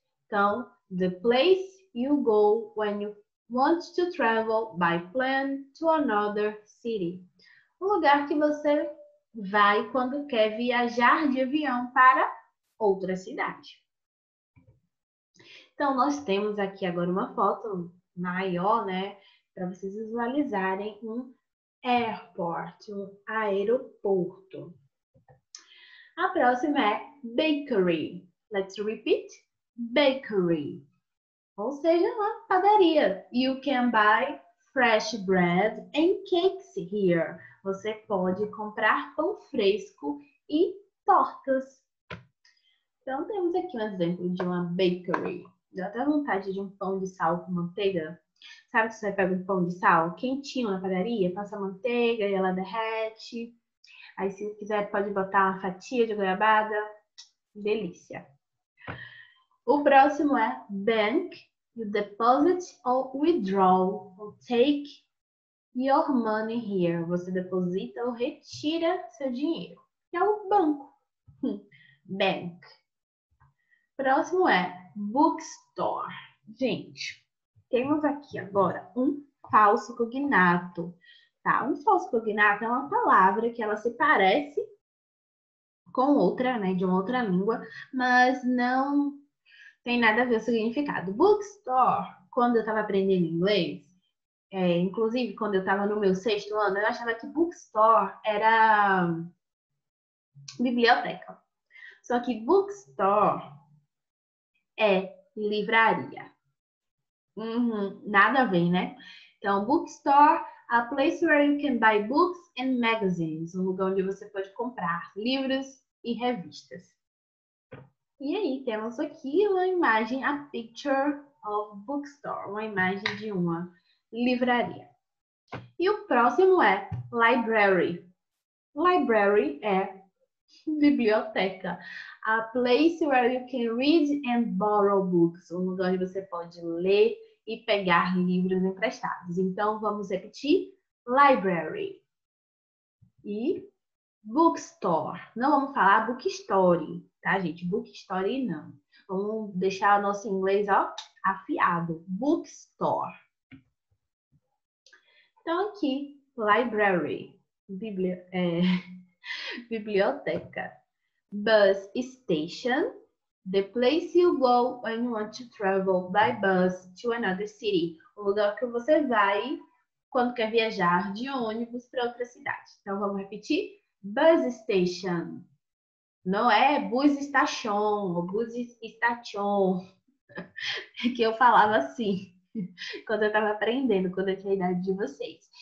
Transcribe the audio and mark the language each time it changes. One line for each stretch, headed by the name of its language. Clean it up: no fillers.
English: Então, the place you go when you want to travel by plane to another city.
Portuguese: O lugar que você vai quando quer viajar de avião para outra cidade. Então, nós temos aqui agora uma foto maior, né? Para vocês visualizarem um airport, um aeroporto. A próxima é bakery.
English: Let's repeat.
Portuguese: Bakery. Ou seja, uma padaria.
English: You can buy fresh bread and cakes here.
Portuguese: Você pode comprar pão fresco e tortas. Então, temos aqui um exemplo de uma bakery. Deu até vontade de um pão de sal com manteiga. Sabe que você pega um pão de sal quentinho na padaria, passa manteiga e ela derrete. Aí, se quiser, pode botar uma fatia de goiabada. Delícia. O próximo é bank.
English: You deposit or withdraw or take your money here.
Portuguese: Você deposita ou retira seu dinheiro. Que é o banco. Bank. Próximo é bookstore. Gente, temos aqui agora um falso cognato, tá? Um falso cognato é uma palavra que ela se parece com outra, né? De uma outra língua, mas não tem nada a ver o significado. Bookstore, quando eu estava aprendendo inglês, inclusive quando eu estava no meu sexto ano, eu achava que bookstore era biblioteca. Só que bookstore é livraria. Nada a ver, né?
English: Então, bookstore, a place where you can buy books and magazines.
Portuguese: Um lugar onde você pode comprar livros e revistas. E aí, temos aqui uma imagem,
English: a picture of bookstore.
Portuguese: Uma imagem de uma livraria. E o próximo é library. Library é biblioteca.
English: A place where you can read and borrow books.
Portuguese: Um lugar onde você pode ler e pegar livros emprestados. Então, vamos repetir: library. E Bookstore. Não vamos falar bookstore, tá, gente? Bookstore não. Vamos deixar o nosso inglês, ó, afiado. Bookstore. Então, aqui, library. Biblioteca.
English: Bus station. The place you go when you want to travel by bus to another city.
Portuguese: O lugar que você vai quando quer viajar de ônibus para outra cidade. Então, vamos repetir? Bus station. Não é bus station, bus station. Que eu falava assim quando eu estava aprendendo, quando eu tinha a idade de vocês.